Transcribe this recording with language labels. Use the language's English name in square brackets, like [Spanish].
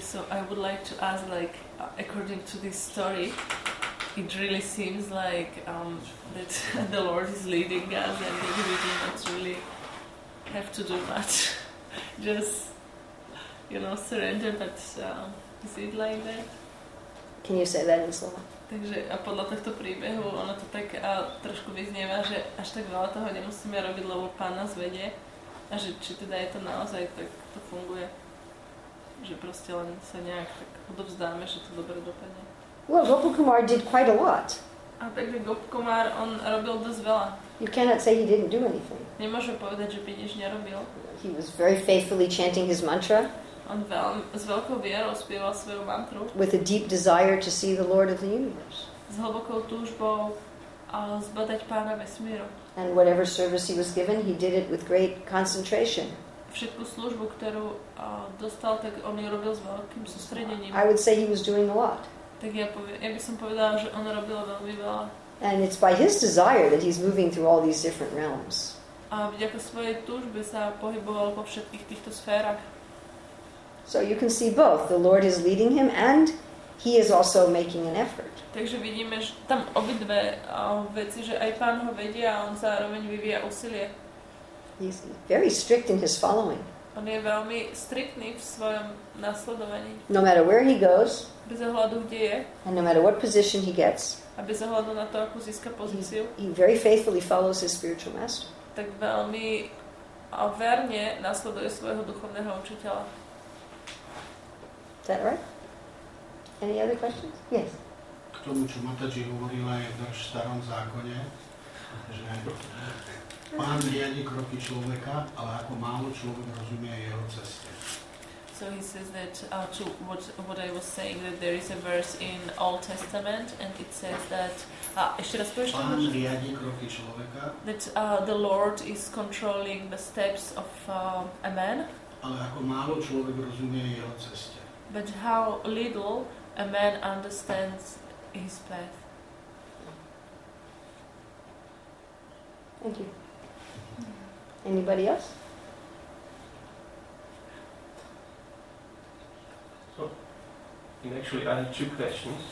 [English] So I would like to ask, like, according to this story, it really seems like that the Lord is leading us, and maybe we do not really have to do much. Just, you know, surrender, but is it like that? Can you say that in slow? [Slovak] Takže a podľa tohto príbehu ono to tak a trošku vyznieva, že až tak veľa toho nemusíme robiť, lebo Pán nás vedie. A že či teda je to naozaj, tak to funguje. Že proste len sa nejak tak odovzdáme, že to dobre dopadne. [English] Well, Gopal Kumar did quite a lot. [Slovak] A takže Gopal Kumar, on robil dosť veľa. [English] You cannot say he didn't do anything. [Slovak] Nemôžem povedať, že by nič nerobil. [English] He was very faithfully chanting his mantra. [Slovak] On s veľkou vierou spieval svoju mantru. [English] With a deep desire to see the Lord of the universe. [Slovak] S hlbokou túžbou zbadať Pána vesmíru. [English] And whatever service he was given, he did it with great concentration. [Slovak] Všetku službu, ktorú dostal, tak on ju robil s veľkým sústredením. [English] I would say he was doing a lot. [Slovak] Tak ja by som povedala, že on robil veľmi veľa. [English] And it's by his desire that he's moving through all these different realms. [Slovak] A vďaka svojej túžbe sa pohyboval po všetkých týchto sférach. [English] So you can see both. The Lord is leading him and he is also making an effort. [Slovak] Takže vidíme, že tam obidve veci, že aj Pán ho vedie a on zároveň vyvíja úsilie. [English] He's very strict in his following. [Slovak] On je veľmi striktný v svojom nasledovaní. [English] No matter where he goes, [Slovak] bez ohľadu, kde je, [English] and no matter what position he gets, [Slovak] a bez ohľadu na to, akú získa pozíciu, [English] he very faithfully follows his spiritual master. [Slovak] Tak veľmi verne nasleduje svojho duchovného učiteľa. [English] Is that right? Any other questions? Yes. [Slovak] K tomu, čo Mataji hovorila, je v starom zákone, že Pán riadi kroky človeka, ale ako málo človek rozumie jeho ceste. [English] So he says that to what I was saying, that there is a verse in Old Testament and it says that [Slovak] ešte raz povieš to? Pán riadi kroky človeka. [English] That the Lord is controlling the steps of a man. [Slovak] Ale ako málo človek rozumie jeho ceste. [English] But how little a man understands his path. Thank you. Anybody else? So, actually, I have two questions.